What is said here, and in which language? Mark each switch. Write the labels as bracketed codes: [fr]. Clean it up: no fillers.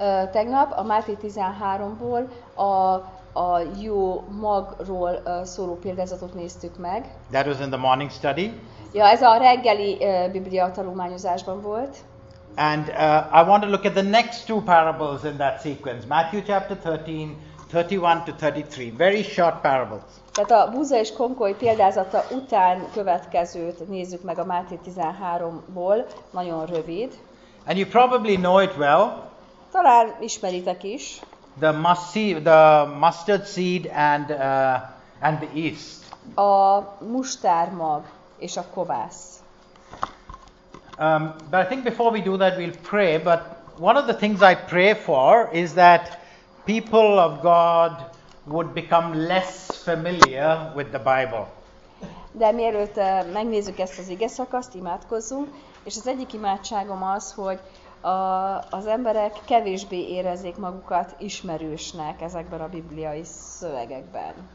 [hu] Tegnap a Máté 13-ból a jó magról szóló példázatot néztük meg. [en] That was in the morning study. [hu] Ja, ez a reggeli Biblia tanulmányozásban volt. [en] And I want to look at the next two parables in that sequence. Matthew chapter 13, 31 to 33. Very short parables. [hu] Tehát a búza és konkoly példázata után következőt nézzük meg a Máté 13-ból. Nagyon rövid. [en] And you probably know it well. [hu] Talán ismeritek is. [en] The mustard seed and the yeast. [hu] A mustármag és a kovász. [en] But I think before we do that we'll pray, but one of the things I pray for is that people of God would become less familiar with the Bible. [hu] De mielőtt megnézzük ezt az ige szakaszt, imádkozzunk, és az egyik imádságom az, hogy az emberek kevésbé érezzék magukat ismerősnek ezekben a bibliai szövegekben.